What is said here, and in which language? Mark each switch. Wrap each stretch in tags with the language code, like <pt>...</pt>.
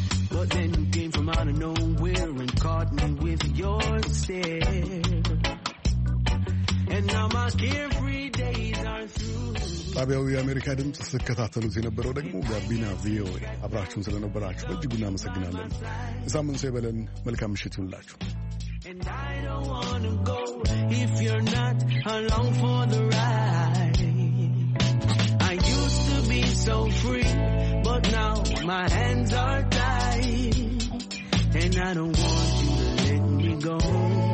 <en>But then you came from out of nowhere and caught me with your stare. And now my carefree days are through.</en> <am>ጣቢያው የአሜሪካ ድምፅ። ስትከታተሉት የነበረው ደግሞ ጋቢና ቪኦኤ። አብራችሁን ስለነበራችሁ በእጅጉ እናመሰግናለን። የሳምንት ሰው ይበለን። መልካም ምሽት ይሁንላችሁ።</am> <en>And I don't wanna go if you're not along for the ride. I used to be so free, but now my hands are tied. And I don't want you to let me go.</en>